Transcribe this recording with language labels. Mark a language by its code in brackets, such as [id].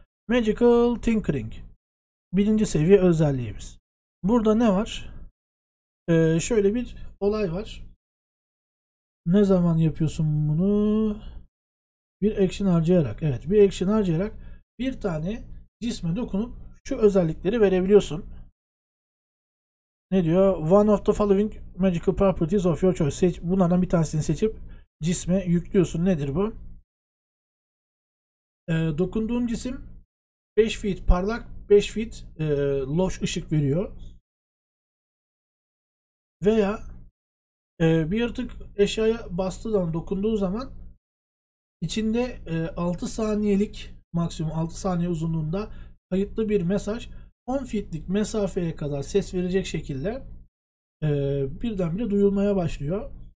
[tr] Magical Tinkering. Birinci seviye özelliğimiz. Burada ne var? Şöyle bir olay var. Ne zaman yapıyorsun bunu? Bir action harcayarak. Evet, bir action harcayarak bir tane cisme dokunup şu özellikleri verebiliyorsun. Ne diyor? [en] One of the following magical properties of your choice. [tr] Bunlardan bir tanesini seçip cisme yüklüyorsun. Nedir bu? Dokunduğun cisim 5 feet parlak, 5 feet loş ışık veriyor. Veya bir yaratık eşyaya bastığı zaman, dokunduğu zaman içinde 6 saniyelik, maksimum 6 saniye uzunluğunda kayıtlı bir mesaj 10 feetlik mesafeye kadar ses verecek şekilde birdenbire duyulmaya başlıyor.